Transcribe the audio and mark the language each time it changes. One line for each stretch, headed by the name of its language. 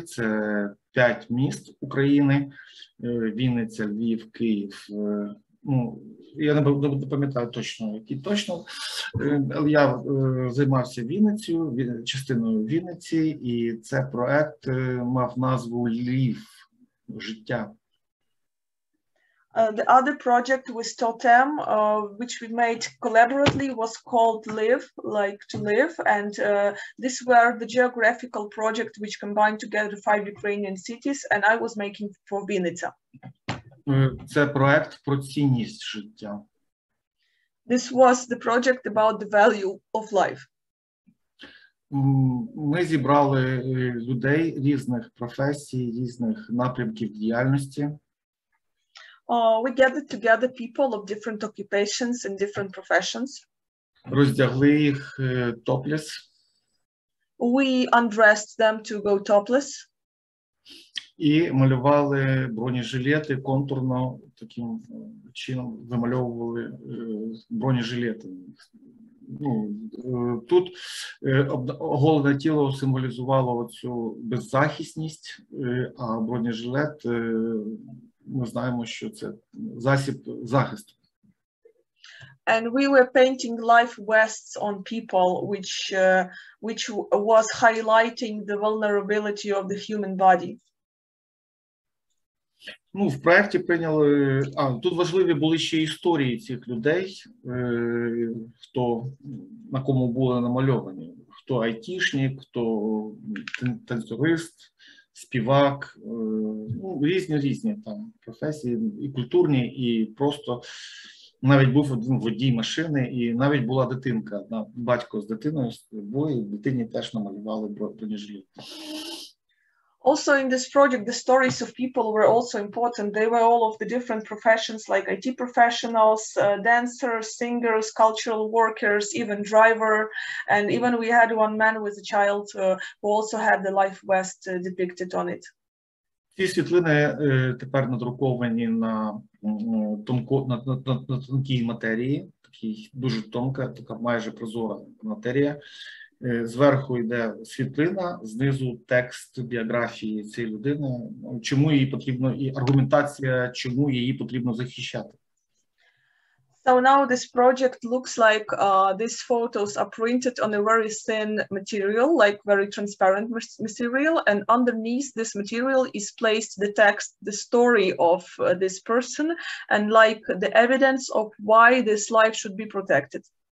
Ukrainian: Це 5 міст України: Вінниця, Львів, Київ. Ну, я не пам'ятаю точно, які точно. Я займався Вінницею, частиною Вінниці, і це проект мав назву Львів життя.
English: The other project with STOTEM, which we made collaboratively, was called Live, like to live. And this were the geographical project which combined together 5 Ukrainian cities, and I was making for Vinnytsia.
Ukrainian: Це проект про цінність життя.
English: This was the project about the value of life.
Ukrainian: Ми зібрали людей різних професій, різних напрямків діяльності.
English: We gathered together people of different occupations and different professions.
Ukrainian: Роздягли їх topless.
English: We undressed them to go topless.
Ukrainian: І малювали бронежилети контурно, таким чином вимальовували бронежилети. Ну, тут оголене тіло символізувало оцю беззахисність, а бронежилет... Ми знаємо, що це засіб захисту.
English: And we were painting life vests on people, which was highlighting the vulnerability of the human body.
Ukrainian: Ну, в проєкті прийняли... А, тут важливі були ще історії цих людей, хто, на кому були намальовані. Хто айтішник, хто танцюрист. Співак, ну, різні там професії, і культурні, і просто навіть був один водій машини, і навіть була дитинка, одна батько з дитиною, бо і дитині теж намалювали бронежилет.
English: Also in this project the stories of people were also important. They were all of the different professions like IT professionals, dancers, singers, cultural workers, even driver, and even we had one man with a child who also had the life vest depicted on it.
Ukrainian: Ці світлини тепер надруковані на тонкій матерії, такий дуже тонка, така майже прозора матерія. Зверху йде світлина, знизу текст біографії цієї людини, чому її потрібно, і аргументація, чому її потрібно захищати.
English: So now this project looks like these photos are printed on a very thin material, like very transparent material, and underneath this material is placed the text, the story of this person, and like the evidence of why this life should be protected.